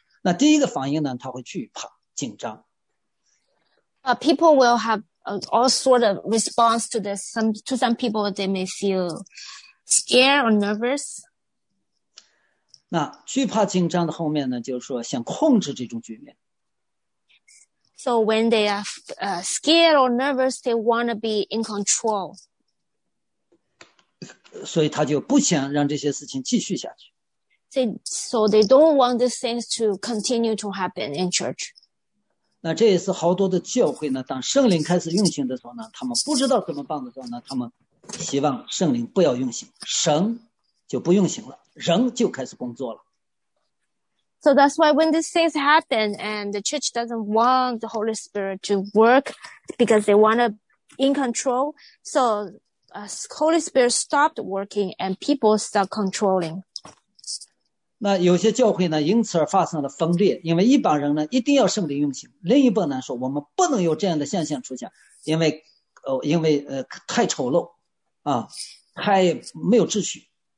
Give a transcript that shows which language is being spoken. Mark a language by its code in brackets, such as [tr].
[zh] 那第一个反应呢，他会惧怕、紧张。 [en] People will have all sort of response to this. To some people, they may feel scared or nervous. [zh] 那惧怕、紧张的后面呢，就是说想控制这种局面。 [en] So when they are scared or nervous, they want to be in control. [zh] 所以他就不想让这些事情继续下去。 [en] So they don't want these things to continue to happen in church. [zh] 那这也是好多的教会呢，当圣灵开始运行的时候呢，他们不知道怎么办的时候呢，他们希望圣灵不要运行，神就不运行了，人就开始工作了。 [en] So that's why when these things happen and the church doesn't want the Holy Spirit to work because they want to be in control, so Holy Spirit stopped working and people start controlling. [zh] 那有些教会呢，因此而发生了分裂，因为一帮人呢一定要圣灵运行，另一帮人说我们不能有这样的现象出现，因为太丑陋啊，太没有秩序。